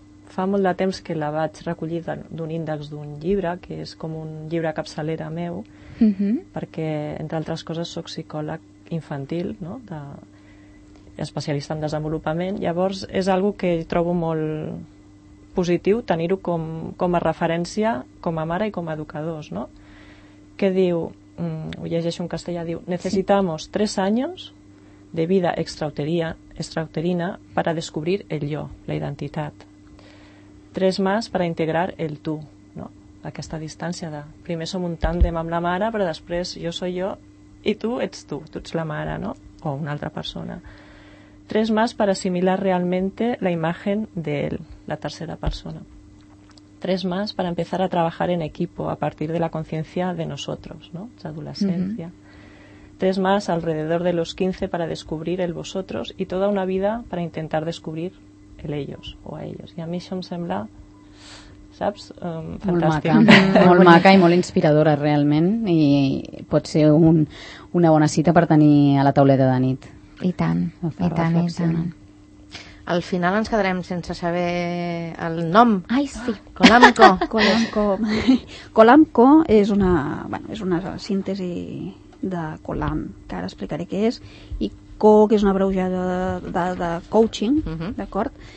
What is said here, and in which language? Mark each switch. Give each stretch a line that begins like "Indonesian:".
Catalan: fa molt de temps que la vaig recollir d'un índex d'un llibre, que és com un llibre capçalera meu, perquè, entre altres coses, soc psicòleg infantil, no? Especialista en desenvolupament. Llavors, és algo que trobo molt positiu tenir-ho com a referència, com a mare i com a educadors, no? Que diu, ho llegeixo en castellà, diu,
Spanish: necesitamos tres años de vida extrauterina para descubrir el yo, la identitat. Tres más para integrar el tú, no?
Catalan: Aquesta distància de primer som un tàndem amb la mare, però després jo
Spanish: soy yo
Catalan: i tu ets tu, tu ets la mare, no? O una altra persona.
Spanish: Tres más para asimilar realmente la imagen de él, la tercera persona. Tres más para empezar a trabajar en equipo a partir de la conciencia de nosotros, ¿no? Esa adolescencia. Tres más alrededor de los 15 para descubrir el vosotros y toda una vida para intentar descubrir el ellos o a ellos. Y a mí eso
Catalan: me sembla, ¿saps? Fantàstic. Molt maca i molt inspiradora, realment. I pot ser una bona cita per tenir a la tauleta de nit. I tant, i tant, i tant. Al final ens quedarem sense saber el nom. Ai, sí. Colamco. Colamco. Colamco és una, bueno, és una síntesi de Colam, que ara explicaré què és, i Co, que és una abreujada de coaching, d'acord?